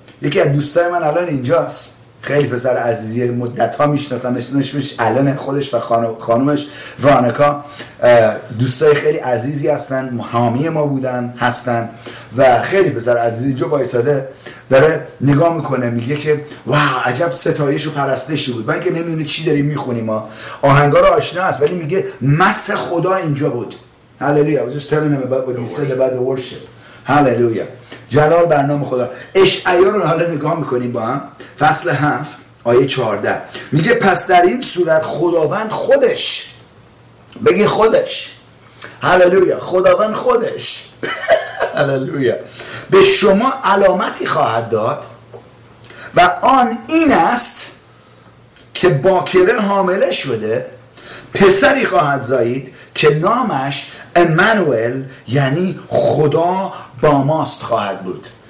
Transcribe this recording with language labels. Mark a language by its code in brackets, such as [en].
[fa] یکی از دوستای من الان اینجاست، خیلی پسر عزیزی، مدت ها میشناسمش، اسمش الان خودش و خانومش وانکا دوستای خیلی عزیزی هستن، حامی ما بودن هستن و خیلی پسر عزیزی. جو بایستاده داره نگاه میکنه میگه که واو، عجب ستایش و پرستشی بود. من که نمیدونه چی داریم میخونیم، آهنگا رو آشنا هست، ولی میگه مس خدا اینجا بود. هللویا. [en] I was just telling him about what he said about the worship. [fa] هللویا. جلال بر نام خدا. اشعیا رو حالا نگاه میکنیم با هم، فصل 7 آیه 14 میگه پس در این صورت خداوند خودش، بگی خودش، هللویا، خداوند خودش هللویا، به شما علامتی خواهد داد و آن این است که باکره حامله شده پسری خواهد زایید که نامش امانوئل یعنی خدا با ماست خواهد بود.